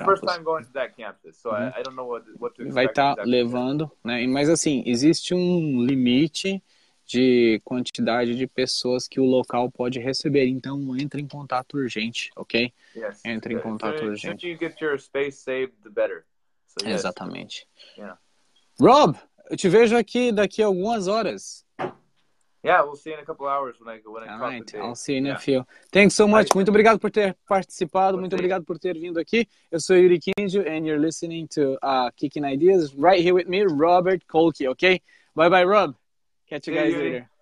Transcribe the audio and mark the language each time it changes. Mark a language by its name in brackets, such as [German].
[English] My first time going to that campus, so I don't know what to expect. [Portuguese] Vai estar levando, né? Mas assim, existe um limite de quantidade de pessoas que o local pode receber. Então, entre em contato urgente, ok? [English] Yes. [Portuguese] Entre em contato urgente. [English] Should you get your space saved, the better. So, yes. [Portuguese] Exatamente. [English] Yeah. [Portuguese] Rob, eu te vejo aqui daqui a algumas horas. [English] Yeah, we'll see you in a couple hours when I talk to you. I'll see you in a few. Thanks so much. [Portuguese] Muito obrigado por ter participado. Muito obrigado por ter vindo aqui. Eu sou Yuri Kinjo, [English] and you're listening to [Portuguese] Kicking Ideas. [English] Right here with me, Robert Kolke, ok? Bye-bye, Rob. Catch you guys later.